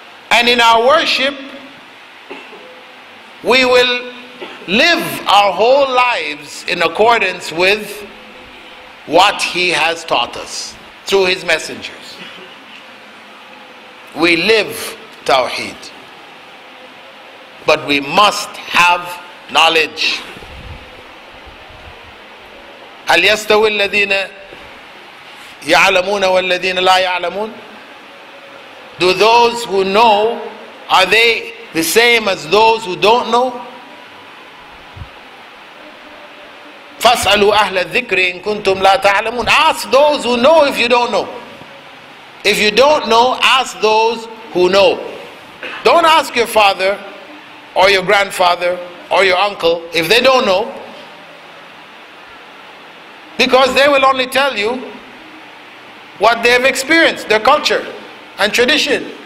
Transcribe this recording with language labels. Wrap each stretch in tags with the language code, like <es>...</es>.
<en>And in our worship, we will live our whole lives in accordance with what He has taught us through His messengers. We live Tawheed. But we must have knowledge.</en> <ar>هل يستوي الذين يعلمون والذين لا يعلمون?</ar> <en>Do those who know, are they the same as those who don't know?</en> <ar>فاسألوا أهل الذكر إن كنتم لا تعلمون.</ar> <en>Ask those who know if you don't know. If you don't know, ask those who know. Don't ask your father or your grandfather or your uncle if they don't know. Because they will only tell you what they have experienced, their culture and tradition.</en>